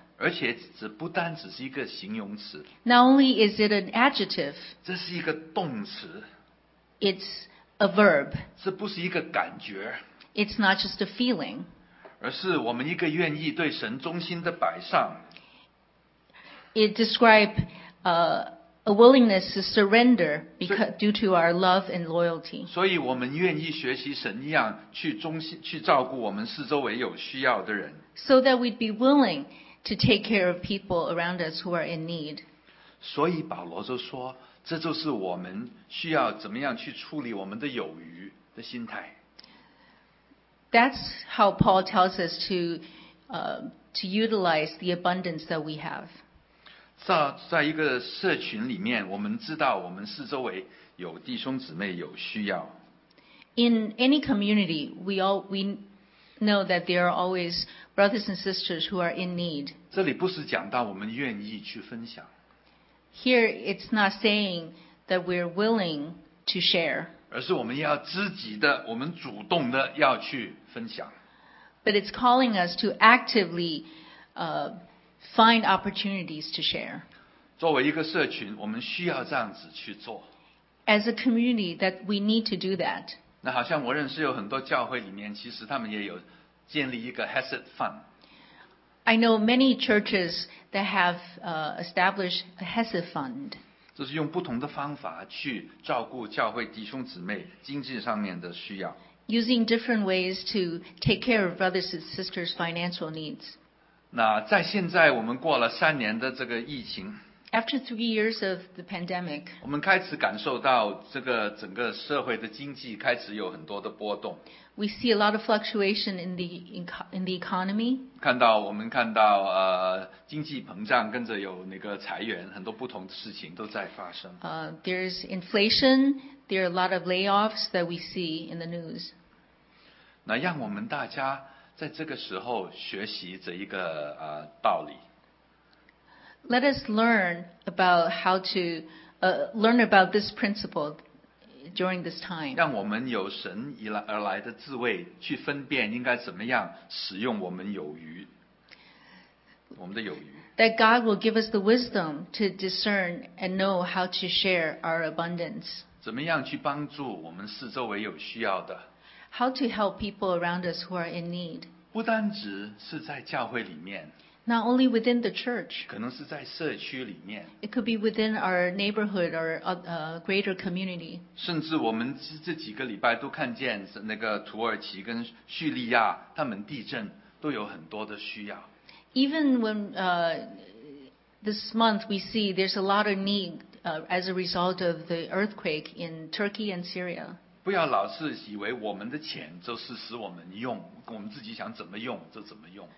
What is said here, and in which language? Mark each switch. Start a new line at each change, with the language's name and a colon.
Chinese: 而且这不单只是一个形容词。
English: Not only is it an adjective.
Chinese: 这是一个动词。
English: It's a verb.
Chinese: 这不是一个感觉。
English: It's not just a feeling.
Chinese: 而是我们一个愿意对神忠心的摆上。
English: It describes a willingness to surrender because, due to our love and loyalty.
Chinese: 所以我们愿意学习神一样去忠心，去照顾我们四周围有需要的人。
English: So that we'd be willing to take care of people around us who are in need.
Chinese: 所以保罗就说，这就是我们需要怎么样去处理我们的有余的心态。
English: That's how Paul tells us to utilize the abundance that we have.
Chinese: 在一个社群里面，我们知道我们四周围有弟兄姊妹有需要。
English: In any community, we know that there are always brothers and sisters who are in need.
Chinese: 这里不是讲到我们愿意去分享。
English: Here, it's not saying that we're willing to share.
Chinese: 而是我们要积极的，我们主动的要去分享。
English: But it's calling us to actively, find opportunities to share.
Chinese: 作为一个社群，我们需要这样子去做。
English: As a community, that we need to do that.
Chinese: 那好像我认识有很多教会里面，其实他们也有建立一个 Hesed Fund.
English: I know many churches that have, established a Hesed Fund.
Chinese: 就是用不同的方法去照顾教会弟兄姊妹经济上面的需要。
English: Using different ways to take care of brothers and sisters' financial needs.
Chinese: 那在现在我们过了三年的这个疫情。
English: After 3 years of the pandemic.
Chinese: 我们开始感受到这个整个社会的经济开始有很多的波动。
English: We see a lot of fluctuation in the economy.
Chinese: 我们看到经济膨胀，跟着有那个裁员，很多不同的事情都在发生。
English: There's inflation. There are a lot of layoffs that we see in the news.
Chinese: 那让我们大家在这个时候学习这一个道理。
English: Let us learn about this principle. During this time,
Chinese: 让我们有神而来的智慧去分辨应该怎么样使用我们有余，我们的有余。
English: That God will give us the wisdom to discern and know how to share our abundance.
Chinese: 怎么样去帮助我们四周围有需要的
English: ？How to help people around us who are in need?
Chinese: 不单只是在教会里面
English: ，Not only within the church.
Chinese: 可能是在社区里面
English: ，It could be within our neighborhood or a greater community.
Chinese: 甚至我们这几个礼拜都看见那个土耳其跟叙利亚他们地震都有很多的需要。
English: Even when this month we see there's a lot of need as a result of the earthquake in Turkey and Syria.
Chinese: 不要老是以为我们的钱就是使我们用，我们自己想怎么用就怎么用。